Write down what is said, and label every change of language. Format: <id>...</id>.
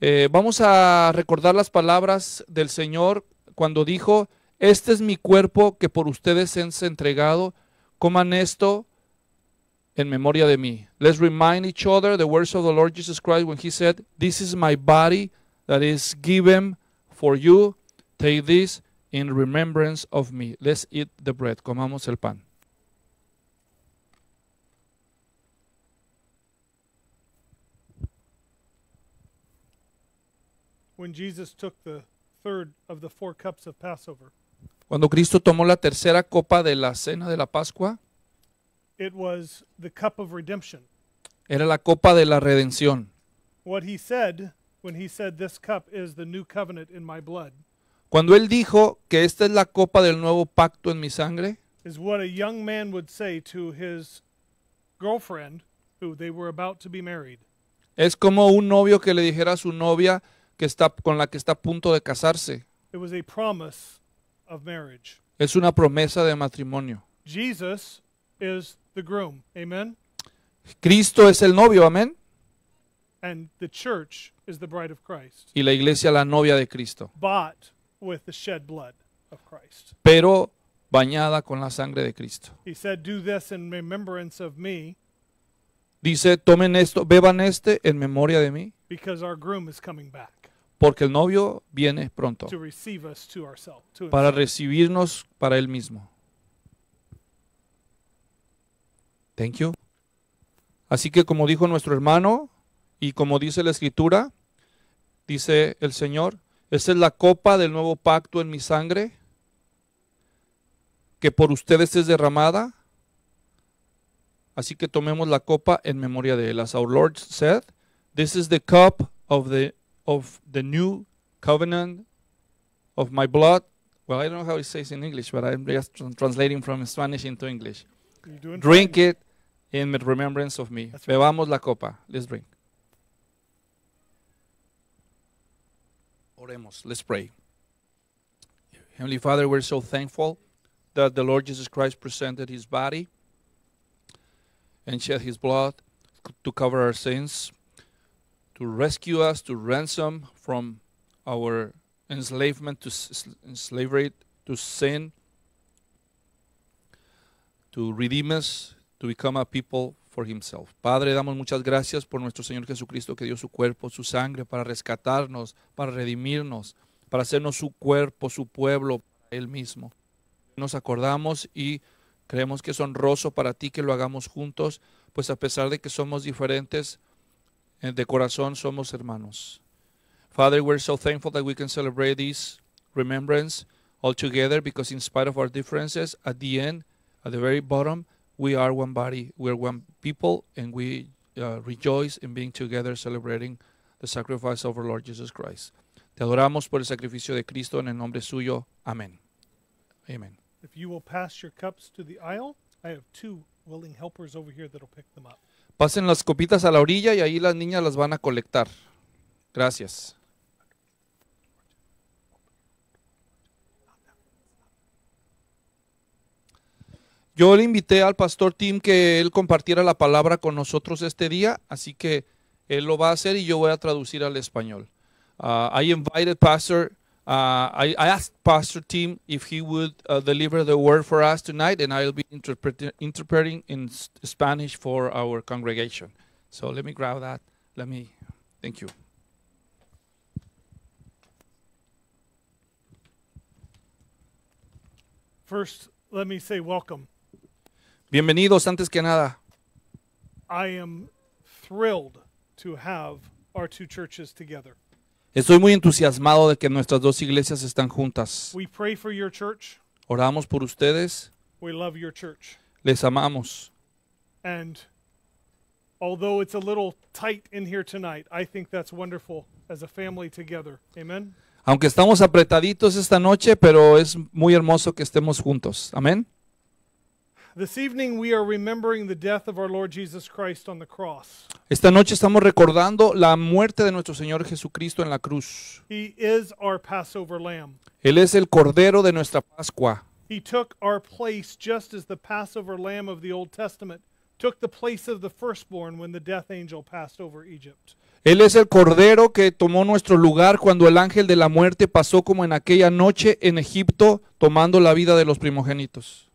<es>Vamos a recordar las palabras del Señor cuando dijo, este es mi cuerpo que por ustedes es entregado, coman esto en memoria de mí.</es> <en>Let's remind each other the words of the Lord Jesus Christ when he said, this is my body that is given for you, take this in remembrance of me. Let's eat the bread,</en> <es>comamos el pan.</es> <en>When Jesus took the third of the four cups of Passover.</en> <es>Cuando Cristo tomó la tercera copa de la cena de la Pascua.</es> <en>It was the cup of redemption.</en> <es>Era la copa de la redención.</es> <en>What he said when he said this cup is the new covenant in my blood.</en> <es>Cuando él dijo que esta es la copa del nuevo pacto en mi sangre.</es> <en>Is what a young man would say to his girlfriend who they were about to be married.</en> <es>Es como un novio que le dijera a su novia que está, con la que está a punto de casarse.</es> <en>It was a promise of marriage.</en> <es>Es una promesa de matrimonio.</es> <en>Jesus is the groom. Amen.</en> <es>Cristo es el novio. Amén.</es> <en>And the church is the bride of Christ.</en> <es>Y la iglesia la novia de Cristo.</es> <en>Bought with the shed blood of Christ.</en> <es>Pero bañada con la sangre de Cristo.</es> <en>He said, "Do this in remembrance of me."</en> <es>Dice, tomen esto, beban este en memoria de mí.</es> <en>Because our groom is coming back.</en> <es>Porque el novio viene pronto.</es> <en>To receive us to ourselves, to</en> <es>para recibirnos para él mismo.</es> <en>Thank you.</en> <es>Así que como dijo nuestro hermano, y como dice la escritura, dice el Señor, esta es la copa del nuevo pacto en mi sangre, que por ustedes es derramada. Así que tomemos la copa en memoria de él.</es> <en>As our Lord said, this is the cup of the new covenant of my blood. Well, I don't know how it says in English, but I'm just translating from Spanish into English. Drink it in remembrance of me. That's bebamos right.</en> <es>La copa.</es> <en>Let's drink.</en> <es>Oremos.</es> <en>Let's pray. Heavenly Father, we're so thankful that the Lord Jesus Christ presented his body and shed his blood to cover our sins, to rescue us, to ransom from our enslavement, to enslavery, to sin, to redeem us, to become a people for himself.</en> <es>Padre, damos muchas gracias por nuestro Señor Jesucristo, que dio su cuerpo, su sangre, para rescatarnos, para redimirnos, para hacernos su cuerpo, su pueblo, él mismo. Nos acordamos y creemos que es honroso para ti que lo hagamos juntos, pues a pesar de que somos diferentes, de corazón somos hermanos.</es> <en>Father, we're so thankful that we can celebrate this remembrance all together, because in spite of our differences, at the end, at the very bottom, we are one body, we are one people, and we rejoice in being together celebrating the sacrifice of our Lord Jesus Christ.</en> <es>Te adoramos por el sacrificio de Cristo en el nombre suyo. Amén. Amen.</es> <en>If you will pass your cups to the aisle, I have two willing helpers over here that'll pick them up.</en> <es>Pasen las copitas a la orilla y ahí las niñas las van a colectar. Gracias. Yo le invité al pastor Tim que él compartiera la palabra con nosotros este día, así que él lo va a hacer y yo voy a traducir al español.</es> <en>I asked Pastor Tim if he would deliver the word for us tonight, and I'll be interpreting in Spanish for our congregation. So let me grab that. Thank you. First, let me say welcome.</en> <es>Bienvenidos, antes que nada.</es> <en>I am thrilled to have our two churches together.</en> <es>Estoy muy entusiasmado de que nuestras dos iglesias están juntas.</es> <en>We pray for your church.</en> <es>Oramos por ustedes.</es> <en>We love your church.</en> <es>Les amamos.</es> <en>And although it's a little tight in here tonight, I think that's wonderful as a family together. Amen.</en> <es>Aunque estamos apretaditos esta noche, pero es muy hermoso que estemos juntos. Amén.</es> <en>This evening we are remembering the death of our Lord Jesus Christ on the cross.</en> <es>Esta noche estamos recordando la muerte de nuestro Señor Jesucristo en la cruz.</es> <en>He is our Passover lamb.</en> <es>Él es el cordero de nuestra Pascua.</es> <en>He took our place just as the Passover lamb of the Old Testament took the place of the firstborn when the death angel passed over Egypt.</en> <es>Él es el cordero que tomó nuestro lugar cuando el ángel de la muerte pasó como en aquella noche en Egipto tomando la vida de los primogénitos.</es>